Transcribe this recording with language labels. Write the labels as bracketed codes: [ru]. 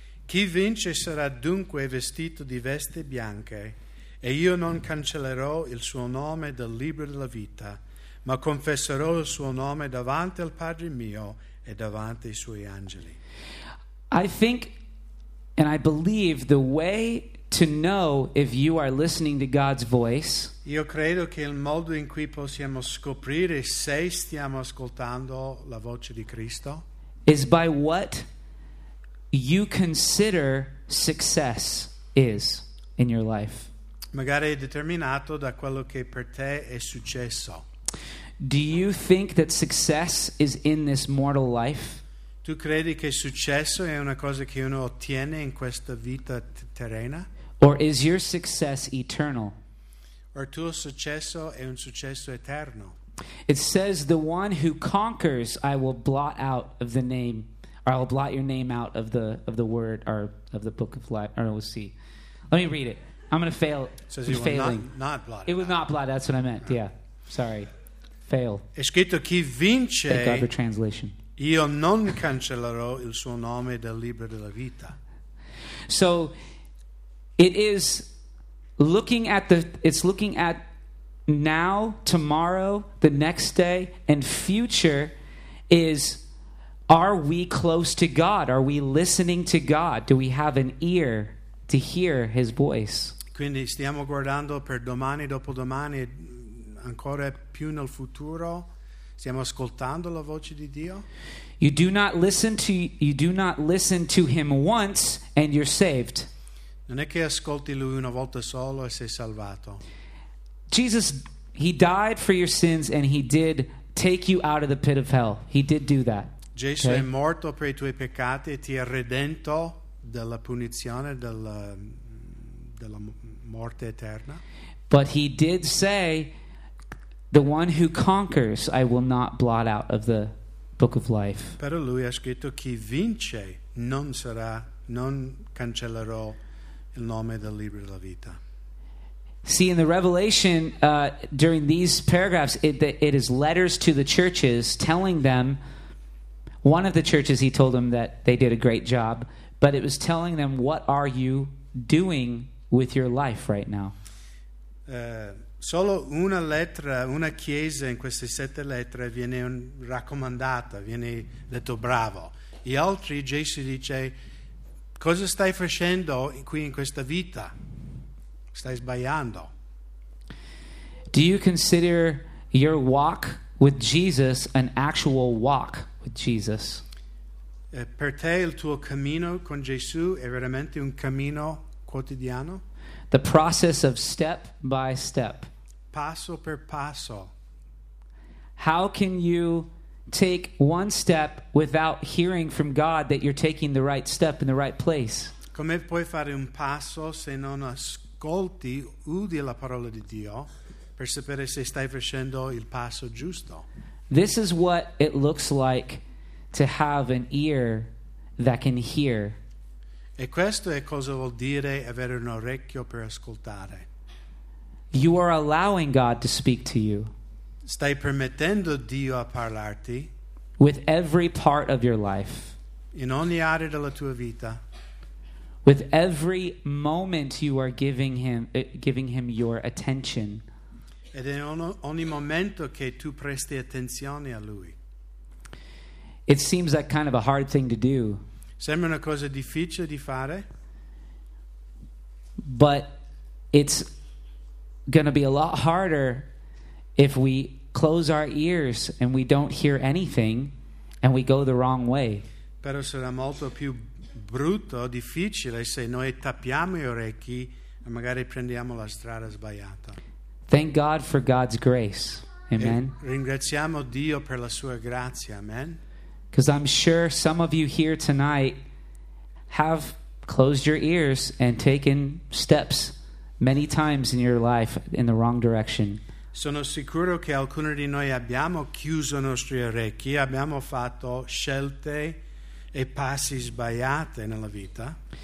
[it] Chi vince sarà dunque vestito di vesti bianche, e io non cancellerò il suo nome dal libro della vita, ma confesserò il suo nome davanti al Padre mio e davanti ai suoi angeli. [en] I think and I believe the way to know if you are listening to God's voice. [it] Io credo che il modo in cui possiamo scoprire se stiamo ascoltando la voce di Cristo [en] is by what you consider success is in your life. [it] Magari è determinato da quello che per te è successo. [en] Do you think that success is in this mortal life? [it] Tu credi che successo è una cosa che uno ottiene in questa vita terrena? [en] Or is your success eternal? [it] Or tuo successo è un successo eterno? [en] It says, "The one who conquers, I will blot out of the name, or I will blot your name out of the word, or of the book of life." Or we'll see. Let me read it. I'm going to fail. Says he failing. Will not blot. It will not blot. That's what I meant. Yeah, sorry. Fail. [it] È scritto chi vince. [en] Thank God for translation. [it] Io non cancellerò il suo nome dal libro della vita. [en] So, it is looking at the. It's looking at now, tomorrow, the next day, and future. Is are we close to God? Are we listening to God? Do we have an ear to hear His voice? [it] Quindi stiamo guardando per domani, dopodomani, ancora più nel futuro. Stiamo ascoltando la voce di Dio? [en] You do not listen to him once and you're saved. [it] Non è che ascolti lui una volta solo e sei salvato. [en] Jesus, he died for your sins and he did take you out of the pit of hell. He did do that. [it] Gesù okay? È morto per i tuoi peccati e ti ha redento dalla punizione della morte eterna. [en] But he did say, "The one who conquers, I will not blot out of the book of life." [it] Però lui ha scritto, "Chi vince non cancellerò il nome del libro della vita." [en] See, in the Revelation, during these paragraphs, it is letters to the churches telling them, one of the churches he told them that they did a great job, but it was telling them, "What are you doing with your life right now?" [it] Solo una lettera, una chiesa in queste sette lettere viene raccomandata, viene detto bravo. Gli altri, Gesù dice, cosa stai facendo qui in questa vita? Stai sbagliando. [en] Do you consider your walk with Jesus an actual walk with Jesus? [it] Per te il tuo cammino con Gesù è veramente un cammino quotidiano? [en] The process of step by step. [it] Passo per passo. [en] How can you take one step without hearing from God that you're taking the right step in the right place? [it] Come puoi fare un passo se non ascolti, udi la parola di Dio per sapere se stai facendo il passo giusto? [en] This is what it looks like to have an ear that can hear. [it] E questo è cosa vuol dire avere un orecchio per ascoltare. [en] You are allowing God to speak to you. [it] Stai permettendo Dio a parlarti. [en] With every part of your life. [it] In ogni area della tua vita. [en] With every moment you are giving him your attention. [it] Ed è ogni momento che tu presti attenzione a lui. [en] It seems like kind of a hard thing to do. [it] Sembra una cosa difficile di fare. [en] But it's going to be a lot harder if we close our ears and we don't hear anything and we go the wrong way. [it] Però sarà molto più brutto, difficile se noi tappiamo gli orecchi e magari prendiamo la strada sbagliata. [en] Thank God for God's grace. Amen. [it] E ringraziamo Dio per la sua grazia. Amen. [en] Because I'm sure some of you here tonight have closed your ears and taken steps many times in your life in the wrong direction. [it] Sono sicuro che alcuni di noi abbiamo chiuso i nostri orecchi, abbiamo fatto scelte e passi sbagliate nella vita.